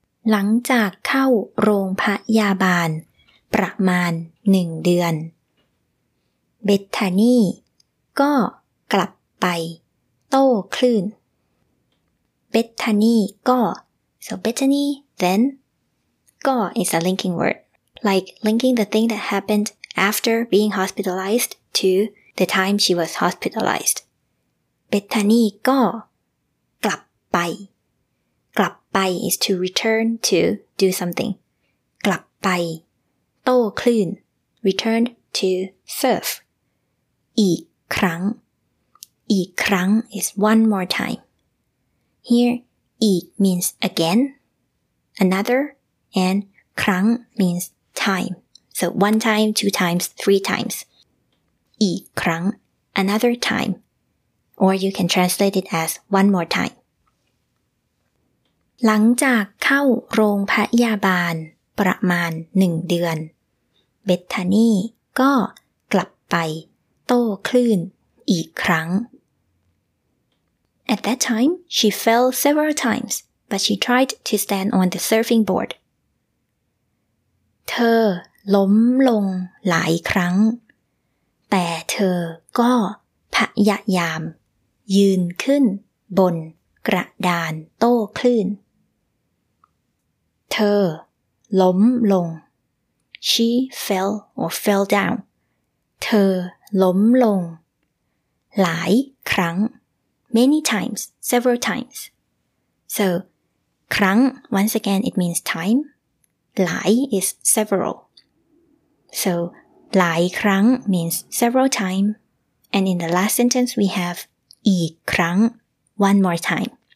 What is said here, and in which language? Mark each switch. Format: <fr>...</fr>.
<th>หลังจากเข้าโรงพยาบาลประมาณ1เดือน Bethany ก็กลับไปโต้คลื่น</th> <en>Bethany</en> <th>ก็</th> <en>so Bethany then,Go is a linking word, like linking the thing that happened after being hospitalized to the time she was hospitalized.</en> <th>Bethany</th> <en>go</en> <th>กลับไป กลับไป</th> <en>is to return to do something.</en> <th>กลับไปโต้คลื่น</th> <en>returned to surf.</en> <th>อีกครั้ง อีกครั้ง</th> <en>is one more time. Here,</en> <th>อีก</th> <en>means again, another,And</en> <th>ครั้ง</th> <en>means time. So one time, two times, three times.</en> <th>อีกครั้ง</th> <en>another time. Or you can translate it as one more time.</en> <th>หลังจากเข้าโรงพยาบาลประมาณ1เดือน Bethany ก็กลับไปโต้คลื่นอีกครั้ง</th> <en>At that time, she fell several times, but she tried to stand on the surfing board.</en> <th>เธอล้มลงหลายครั้งแต่เธอก็พยายามยืนขึ้นบนกระดานโต้คลื่น เธอล้มลง</th> <en>She fell or fell down</en> <th>เธอล้มลงหลายครั้ง</th> <en>Many times, several times So,</en> <th>ครั้ง</th> <en>once again it means time</en> <th>หลาย</th> <en>is several So,</en> <th>หลายครั้ง</th> <en>means several times And in the last sentence we have</en> <th>อีกครั้ง</th> <en>One more time</en>